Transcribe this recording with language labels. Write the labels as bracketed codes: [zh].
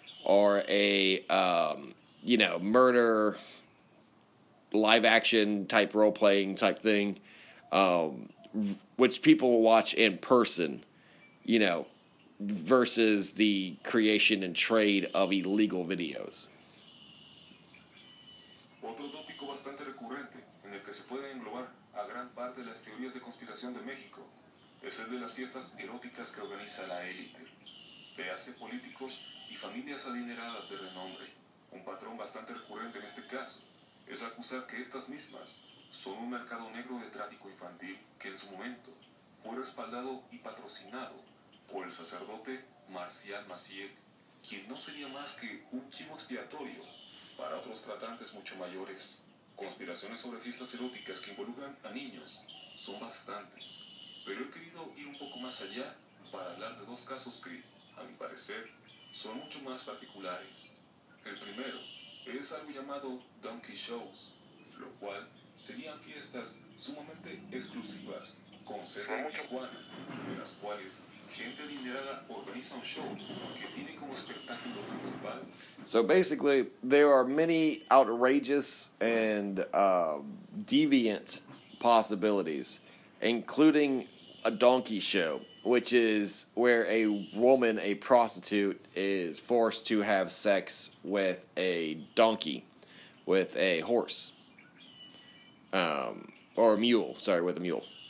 [en] Or a, murder, live-action type role-playing type thing, which people watch in person, you know, versus the creation and trade of illegal videos. [es] Otro tópico bastante recurrente en el que se pueden englobar a gran parte de las teorías de conspiración de México es el de las fiestas eróticas que organiza la élite. Le hace políticos y familias adineradas de renombre. Un patrón bastante recurrente en este caso es acusar que estas mismas son un mercado negro de tráfico infantil que en su momento fue respaldado y patrocinado por el sacerdote Marcial Maciel, quien no sería más que un chivo expiatorio para otros tratantes mucho mayores. Conspiraciones sobre fiestas eróticas que involucran a niños son bastantes, pero he querido ir un poco más allá para hablar de dos casos que, a mi parecer, son mucho más particulares. El primero es algo llamado Donkey Shows, lo cual serían fiestas sumamente exclusivas, con sede en Tijuana, de las cuales gente adinerada organiza un show que tiene como espectáculo principal. [en] So basically, there are many outrageous and deviant possibilities, including a donkey show, which is where a woman, a prostitute, is forced to have sex with a donkey, with a horse, or a mule, sorry, with a mule.